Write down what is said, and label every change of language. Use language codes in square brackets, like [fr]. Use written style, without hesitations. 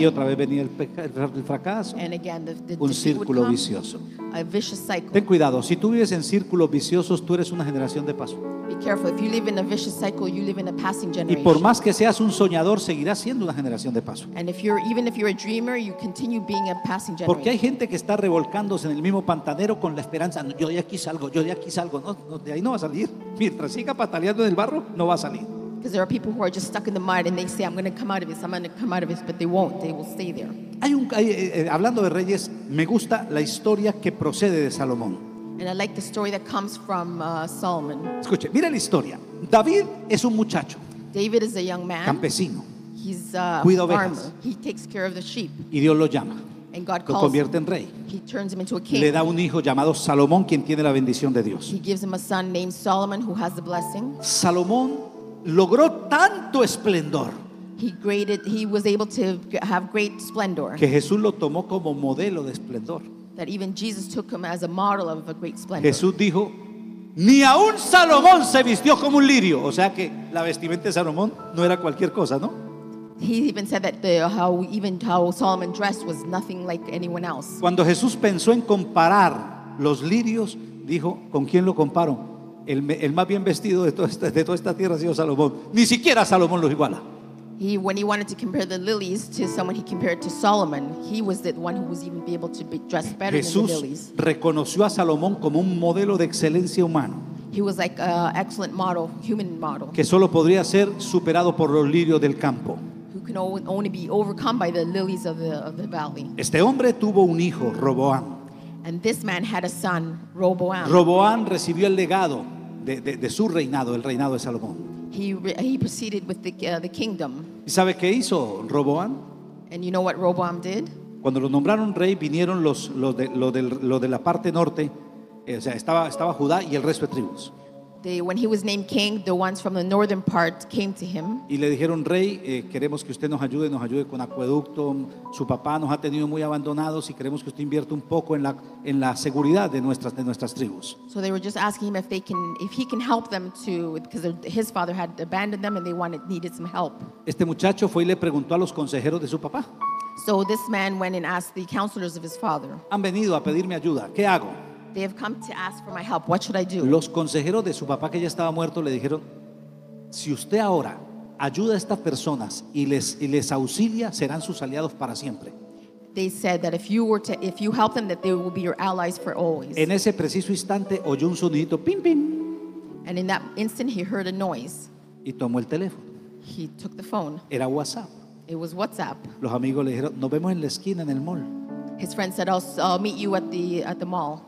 [es] Y otra vez venía el fracaso. [en] And again, the [es] un círculo vicioso. [en] A vicious cycle. [es] Ten cuidado, si tú vives en círculos viciosos, tú eres una generación de paso. [en] Be careful. If you live in a vicious cycle, you live in a passing generation. [es] Y por más que seas un soñador, seguirás siendo una generación de paso. [en] And even if you're a dreamer, you continue being a passing generation. [es] Porque hay gente que está revolcándose en el mismo pantanero con la esperanza, yo de aquí salgo, no, de ahí no va a salir. Mientras siga pataleando en el barro, no va a salir. [en] Because there are people who are just stuck in the mud and they say, I'm going to come out of this, but they won't. They will stay there. [es] Hablando de reyes, me gusta la historia que procede de Salomón. [en] And I like the story that comes from Solomon. [es] Escuche, mira la historia. David es un muchacho. [en] David is a young man. [es] Campesino. [en] He's a [es] cuida [en] farmer. [es] Ovejas. [en] He takes care of the sheep. [es] Y Dios lo llama. [en] And God calls him. [es] Rey. [en] He turns him into a king. [es] Le da un hijo llamado Salomón, quien tiene la bendición de Dios. [en] He gives him a son named Solomon who has the blessing. [es] Salomón logró tanto esplendor. [en] He was able to have great splendor. [es] Que Jesús lo tomó como modelo de esplendor. [en] That even Jesus took him as a model of a great splendor. [es] Jesús dijo, ni aun Salomón se vistió como un lirio. O sea que la vestimenta de Salomón no era cualquier cosa, ¿no? [en] He even said that how Solomon dressed was nothing like anyone else. [es] Cuando Jesús pensó en comparar los lirios, dijo, ¿con quién lo comparo? El más bien vestido de toda esta tierra ha sido Salomón. Ni siquiera Salomón lo iguala. [en] When he wanted to compare the lilies to someone, he compared to Solomon. He was the one who was even be able to be dressed better [es] Jesús [en] than the lilies. [es] Jesús reconoció a Salomón como un modelo de excelencia humano. [en] He was like an excellent model, human model. [es] Que solo podría ser superado por los lirios del campo. [en] Who can only be overcome by the lilies of the valley. [es] Este hombre tuvo un hijo, Roboam. [en] And this man had a son, Roboam. [es] Roboam recibió el legado de su reinado, el reinado de Salomón. [en] He proceeded with the kingdom. [es] ¿Y sabe qué hizo Roboam? [en] And you know what Roboam did? [es] Cuando lo nombraron rey, vinieron los de la parte norte, o sea, estaba Judá y el resto de tribus. [en] When he was named king, the ones from the northern part came to him. [es] Y le dijeron, rey, queremos que usted nos ayude con acueducto. Su papá nos ha tenido muy abandonados y queremos que usted invierta un poco en la seguridad de nuestras tribus. [en] So they were just asking him if he can help them too, because his father had abandoned them and they needed some help. [es] Este muchacho fue y le preguntó a los consejeros de su papá. [en] So this man went and asked the counselors of his father. [es] Han venido a pedirme ayuda. ¿Qué hago? [en] They have come to ask for my help. What should I do? [es] Los consejeros de su papá que ya estaba muerto le dijeron, si usted ahora ayuda a estas personas y les auxilia, serán sus aliados para siempre. [en] They said that if you help them, that they will be your allies for always. [es] En ese preciso instante oyó un sonidito, pim pim. [en] And in that instant he heard a noise. [es] Y tomó el teléfono. [en] He took the phone. [es] Era WhatsApp. [en] It was WhatsApp. [es] Los amigos le dijeron, nos vemos en la esquina en el mall. [en] His friend said, I'll meet you at the mall.